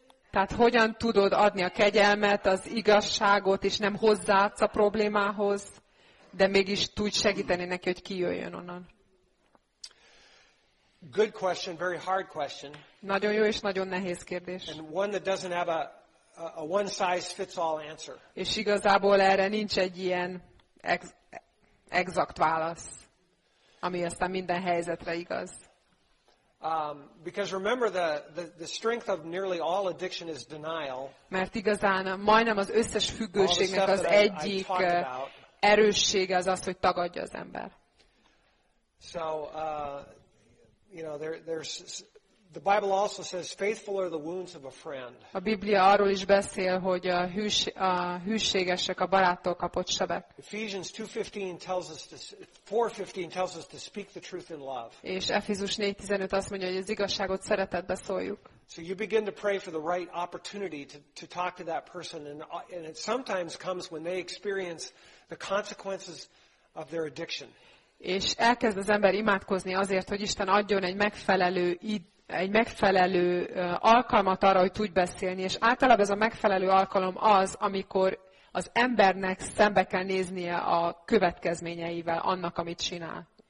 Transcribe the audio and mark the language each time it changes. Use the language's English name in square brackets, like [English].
[Hungarian] Tehát hogyan tudod adni a kegyelmet, az igazságot, és nem hozzáadsz a problémához, de mégis tudj segíteni neki, hogy kijöjjön onnan. [English] Good question, very hard question. [Hungarian] Nagyon jó és nagyon nehéz kérdés. [English] And one that doesn't have a one size fits all answer. [Hungarian] És igazából erre nincs egy ilyen exakt válasz, ami aztán minden helyzetre igaz. [English] Because remember the strength of nearly all addiction is denial. [Hungarian] Mert igazán majdnem az összes függőségnek az egyik erőssége az, hogy tagadja az ember. [English] So you know, there's the Bible also says faithful are the wounds of a friend. [Hungarian] A Biblia arról is beszél, hogy a hűségesek a baráttól kapott sebek. [English] Ephesians 2:15 tells us to 4:15 tells us to speak the truth in love. [Hungarian] És Efézus 4:15 azt mondja, hogy az igazságot szeretetbe szóljuk. [English] So you begin to pray for the right opportunity to talk to that person, and it sometimes comes when they experience the consequences of their addiction. [Hungarian] És elkezd az ember imádkozni azért, hogy Isten adjon egy megfelelő alkalmat arra, hogy tudj beszélni. És általában ez a megfelelő alkalom az, amikor az embernek szembe kell néznie a következményeivel annak, amit csinál.